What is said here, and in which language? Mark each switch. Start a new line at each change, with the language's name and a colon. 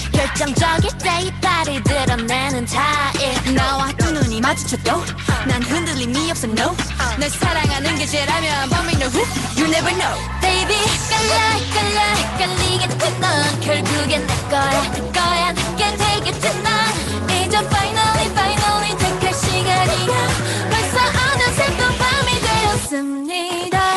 Korean: 결정적일 때 이 발을 드러내는 타입. 너와 두 눈이 마주쳐도 난 흔들림이 없어,
English: no.
Korean: 널 사랑하는 게 죄라면
English: But we know who? You never know. Baby,
Korean: 헷갈려, 헷갈려, 헷갈리겠지 넌 결국엔 내 거야, 내 거야, 늦게 되겠지 넌 이제
English: finally, finally
Korean: 택할 시간이야. 벌써 어느새 또 밤이 되었습니다.